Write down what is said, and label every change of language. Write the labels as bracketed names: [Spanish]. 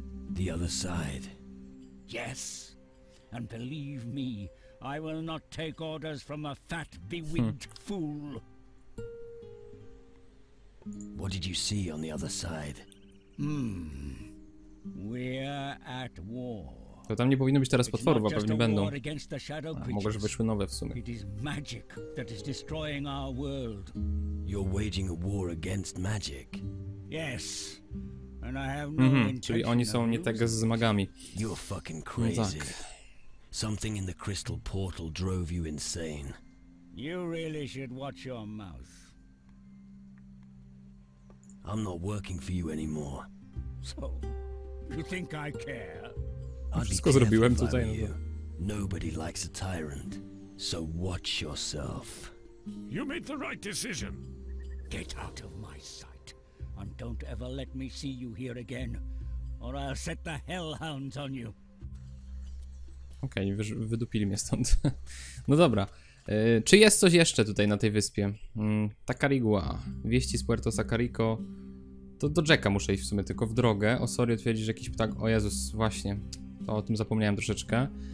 [English] The other side? Yes. And believe me, I will not take orders from a fat, bewigged fool. What did you see on the other side? We're at war. [Polish] To tam nie powinno być teraz potworów, a pewnie będą. A mogę, że wyszły nowe w sumie. [English] It is magic that is destroying our world. You're waging a war against magic. Yes. And I have no intention. [Polish] Czyli oni są nie tego z magami. [English] You're fucking crazy. Something in the crystal portal drove you insane. You really should watch your mouth. I'm not working for you anymore. So, you think I care? [Polish] Wszystko zrobiłem tutaj. [English] Nobody likes a tyrant, so watch yourself. You made the right decision. Get out of my sight, and don't ever let me see you here again, or I'll set the hellhounds on you. [Polish] Okej, okay, wydupili mnie stąd. No dobra. Czy jest coś jeszcze tutaj na tej wyspie? Takarigua. Wieści z Puerto Sacarico. To do Jacka muszę iść w sumie, tylko w drogę. Osorio twierdzi, że jakiś ptak... O Jezus, właśnie. To o tym zapomniałem troszeczkę.